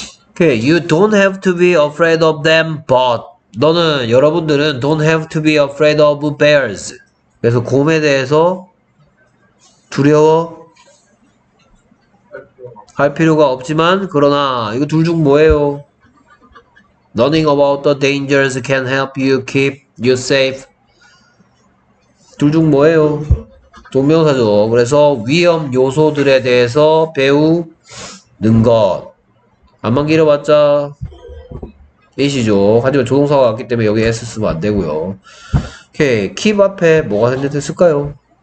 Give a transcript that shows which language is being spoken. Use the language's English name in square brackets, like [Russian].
[English] Okay, you don't have to be afraid of them but [Korean] 너는 여러분들은 [English] don't have to be afraid of bears. [Korean] 그래서 곰에 대해서 두려워 할 필요가 없지만 그러나 이거 둘 중 뭐예요? [English] Learning about the dangers can help you keep you safe. [Korean] 둘 중 뭐예요? 동명사죠. 그래서 위험 요소들에 대해서 배우는 것. 안만 길어봤자 이시죠. 하지만 조동사가 왔기 때문에 여기 S 쓰면 안 되고요. 오케이. Keep 앞에 뭐가 생겼을까요?